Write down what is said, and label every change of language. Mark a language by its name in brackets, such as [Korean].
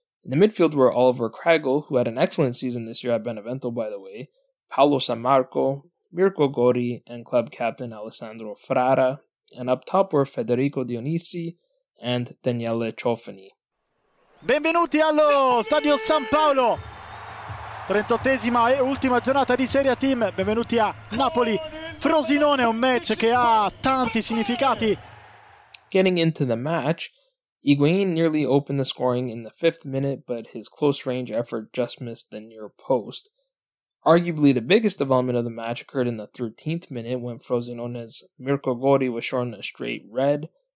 [English] In the midfield were Oliver Kragel, who had an excellent season this year at Benevento, by the way, Paolo Sammarco, Mirko Gori, and club captain Alessandro Frara. And up top were Federico Dionisi and Daniele Cioffani. [Italian] Benvenuti allo Stadio San Paolo! 38esima e ultima giornata di Serie A Team, benvenuti a Napoli. Frosinone, un match che ha tanti significati. [English] Getting into the match, Higuain nearly opened the scoring in the 5th minute, but his close-range effort just missed the near post. Arguably the biggest development of the match occurred in the 13th minute when Frosinone's Mirko Gori was shown a straight red.